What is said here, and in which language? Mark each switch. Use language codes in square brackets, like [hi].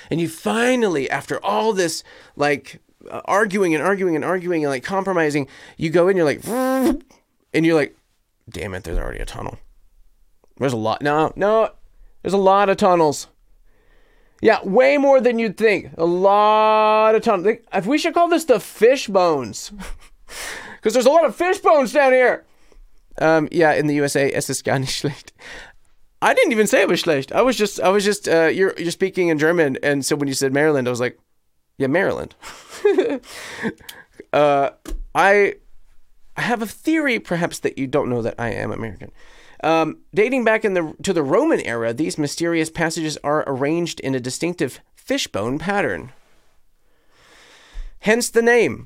[en] And you finally, after all this like arguing and like compromising, you go in, you're like, and you're like, damn it, there's already a tunnel. There's a lot. No, there's a lot of tunnels. Yeah, way more than you'd think. A lot of tunnels. If we should call this the fish bones. Because there's a lot of fish bones down here. Yeah, in the USA, [de] es ist gar nicht schlecht. [en] I didn't even say it was schlecht. I was just you're speaking in German. And so when you said Maryland, I was like, yeah, Maryland. I have a theory, perhaps, that you don't know that I am American. Dating back to the Roman era, these mysterious passages are arranged in a distinctive fishbone pattern. Hence the name.